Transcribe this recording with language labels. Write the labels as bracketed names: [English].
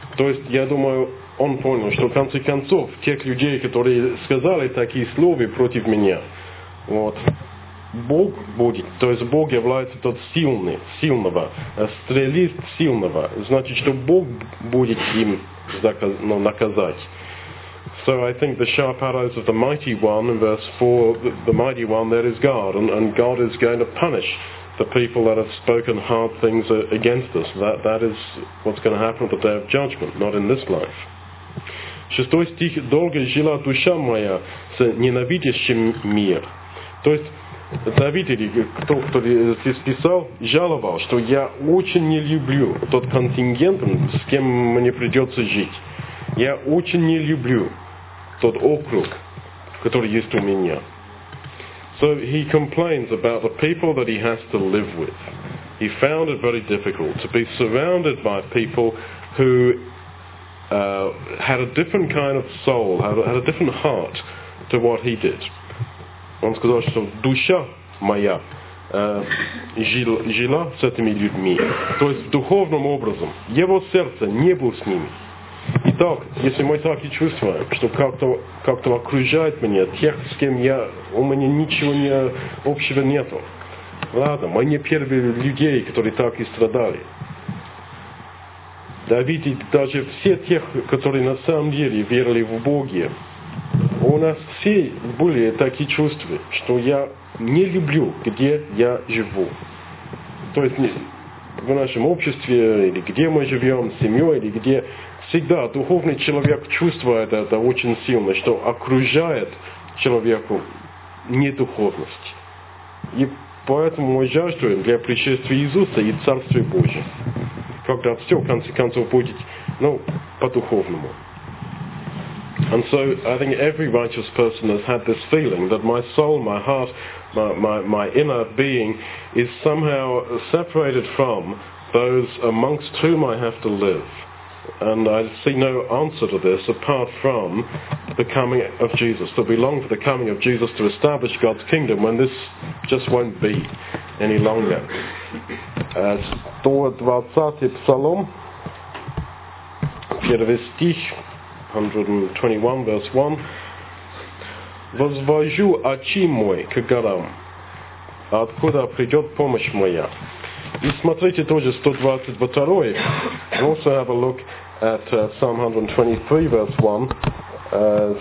[Russian] То есть, я думаю, он понял, что в конце концов, тех людей, которые сказали такие слова против меня, Бог будет, то есть Бог является тот сильного, стрелист сильного, значит, что Бог будет им наказать. [English] So I think the sharp arrows of the mighty one, in verse 4, the mighty one, there is God, and God is going to punish the people that have spoken hard things against us. That is what's going to happen at the day of judgment, not in this life. [Russian] Шестой стих. Долго жила душа моя с ненавидящим мир. То есть, Давид, или кто здесь писал, жаловал, что я очень не люблю тот контингент, с кем мне придется жить. Я очень не люблю тот округ, который есть у меня. [English] So he complains about the people that he has to live with. He found it very difficult to be surrounded by people who had a different kind of soul, had a different heart to what he did. [Russian] Он сказал, что душа моя жила с этими людьми. То есть в духовном образом. Его сердце не было с ними. Итак, если мы так и чувствуем, что как-то окружает меня тех, с кем я, у меня ничего общего нету. Ладно, мы не первые людей, которые так и страдали. Давид и даже все тех, которые на самом деле верили в Бога, у нас все были такие чувства, что я не люблю, где я живу. То есть в нашем обществе, или где мы живем, с семьей, или где... Всегда духовный человек чувствует это очень сильно, что окружает человеку недуховность. И поэтому мы жаждуем для пришествия Иисуса и Царствия Божия, когда все, в конце концов, будет по-духовному. [English] And so I think every righteous person has had this feeling that my soul, my heart, my inner being is somehow separated from those amongst whom I have to live. And I see no answer to this apart from the coming of Jesus, that we long for the coming of Jesus to establish God's kingdom when this just won't be any longer. [Russian] Двадцатый псалом, первый стих, 121, [English] verse 1. [Russian] Возвожу очи мои к горам, откуда придет помощь моя. И смотрите тоже 122. [English] We also have a look at Psalm 123, verse 1.